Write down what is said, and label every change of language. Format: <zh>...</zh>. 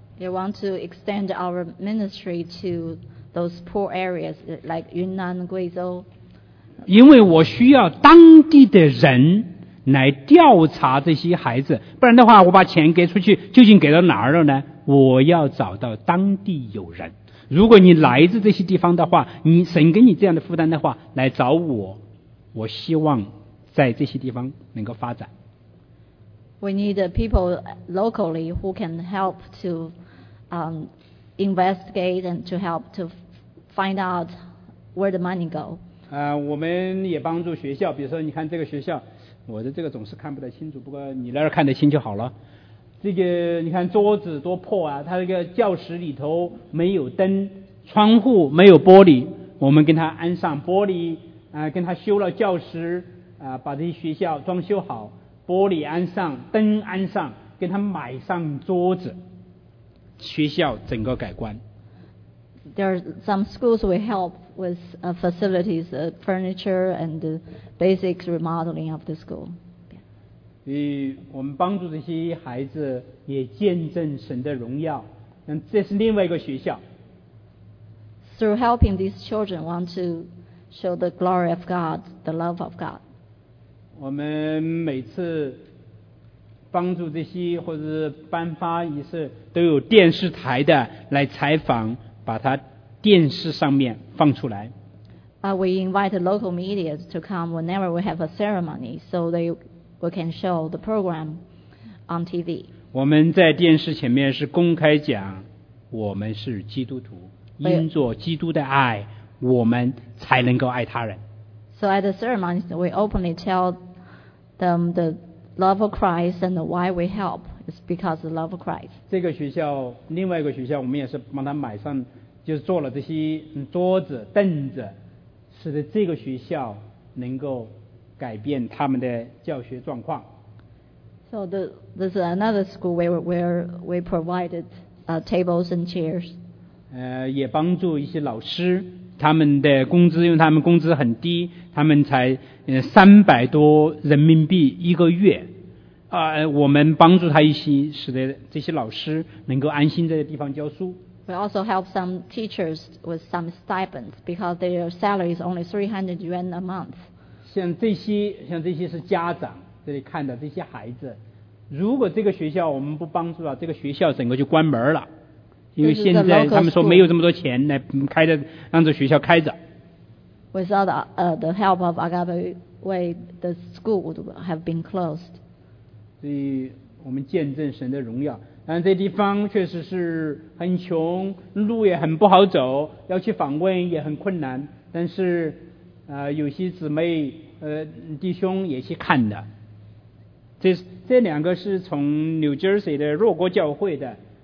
<en>We want to extend our ministry to those poor areas like Yunnan, Guizhou.</en> <zh>因为我需要当地的人来调查这些孩子，不然的话，我把钱给出去，究竟给到哪儿了呢？我要找到当地有人。如果你来自这些地方的话，你神给你这样的负担的话，来找我，我希望在这些地方能够发展。</zh> <en>We need people locally who can help to investigate and to help to find out where the money go.</en> <zh>我们也帮助学校，比如说你看这个学校，我的这个总是看不太清楚，不过你那儿看得清就好了。这个你看桌子多破啊，它这个教室里头没有灯，窗户没有玻璃，我们跟他安上玻璃，跟他修了教室，把这些学校装修好。玻璃安上，灯安上，给他买上桌子，学校整个改观。</zh> <en>There are some schools we help with facilities, furniture and basic remodeling of the school.</en> <zh>所以我们帮助这些孩子也见证神的荣耀。那这是另外一个学校。</zh> <en>Through helping these children, want to show the glory of God, the love of God.</en> <zh>我们每次帮助这些或者颁发仪式都有电视台的来采访，把它电视上面放出来。</zh> <en>We invite local media to come whenever we have a ceremony so we can show the program on TV.</en> <zh>我们在电视前面是公开讲我们是基督徒，因着基督的爱我们才能够爱他人。</zh> <en>So at the ceremony, we openly tell them the love of Christ and why we help. It's because of the love of Christ.</en> <zh>这个学校，另外一个学校，我们也是帮他买上，就是做了这些桌子、凳子，使得这个学校能够改变他们的教学状况。</zh> <en>So there's another school where we provided tables and chairs.</en> <zh>也帮助一些老师。他们的工资，因为他们工资很低，他们才300多人民币一个月。我们帮助他一些，使得这些老师能够安心在这地方教书。</zh> <en>We also help some teachers with some stipends because their salary is only 300 yuan a month.</en> <zh>像这些是家长这里看的这些孩子，如果这个学校我们不帮助了，这个学校整个就关门了。因为现在他们说没有这么多钱来开的，让这学校开着。</zh> <en>Without the help of Agape Way, the school would have been closed.</en> <zh>所以我们见证神的荣耀，但这地方确实是很穷，路也很不好走，要去访问也很困难。但是，有些姊妹、弟兄也去看的。这两个是从 New Jersey 的若果教会的。</zh>